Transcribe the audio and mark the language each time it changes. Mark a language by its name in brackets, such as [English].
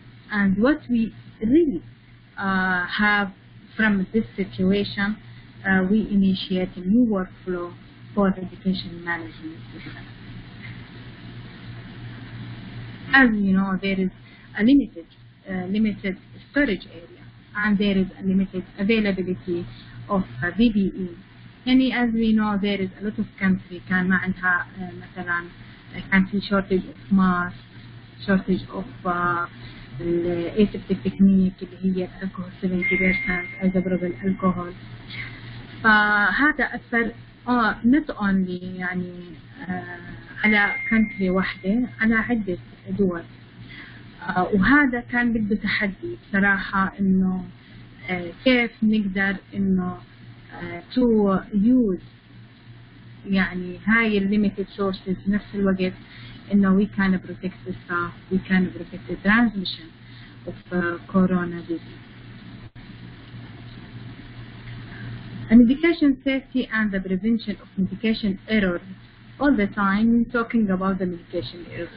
[English] And what we really have from this situation, we initiate a new workflow for the medication management system. As you know, there is a limited storage area, and there is a limited availability of BBE. And as we know, there is a lot of country can not have, for example, country shortage of masks, shortage of aseptic technique, alcohol 70%, isopropyl alcohol. [Arabic] هذا أثر [English] not only [Arabic] يعني على country واحدة على عدة دول وهذا كان بده تحدي صراحة إنه كيف نقدر إنه [English] to use [Arabic] يعني هاي [English] limited sources [Arabic] نفس الوقت إنه [English] we can protect the staff, we can protect the transmission of corona disease. Medication safety and the prevention of medication error. All the time we're talking about the medication error.